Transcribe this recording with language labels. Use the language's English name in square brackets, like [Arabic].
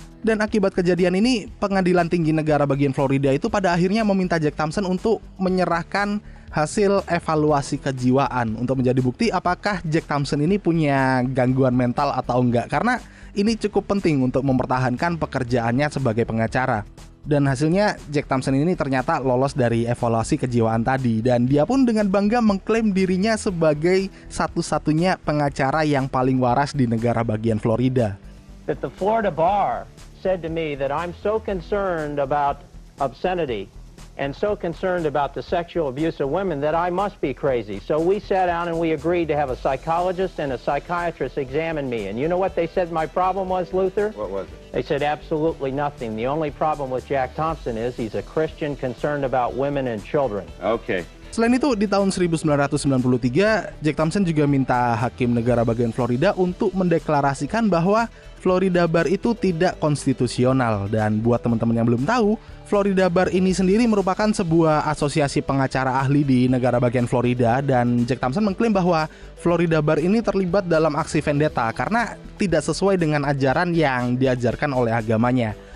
[Indonesian] Dan akibat kejadian ini, pengadilan tinggi negara bagian Florida itu pada akhirnya meminta Jack Thompson untuk menyerahkan hasil evaluasi kejiwaan untuk menjadi bukti apakah Jack Thompson ini punya gangguan mental atau enggak, karena ini cukup penting untuk mempertahankan pekerjaannya sebagai pengacara. Dan hasilnya, Jack Thompson ini ternyata lolos dari evaluasi kejiwaan tadi, dan dia pun dengan bangga mengklaim dirinya sebagai satu-satunya pengacara yang paling waras di negara bagian Florida. [English] That the Florida bar said to me that I'm so concerned about obscenity and so concerned about the sexual abuse of women that I must be crazy. So we sat down and we agreed to have a psychologist and a psychiatrist examine me. And you know what they said my problem was, Luther? What was it? They said absolutely nothing. The only problem with Jack Thompson is he's a Christian concerned about women and children. Okay. [Indonesian] Selain itu, di tahun 1993, Jack Thompson juga minta hakim negara bagian Florida untuk mendeklarasikan bahwa Florida Bar itu tidak konstitusional. Dan buat teman-teman yang belum tahu, Florida Bar ini sendiri merupakan sebuah asosiasi pengacara ahli di negara bagian Florida, dan Jack Thompson mengklaim bahwa Florida Bar ini terlibat dalam aksi vendetta karena tidak sesuai dengan ajaran yang diajarkan oleh agamanya.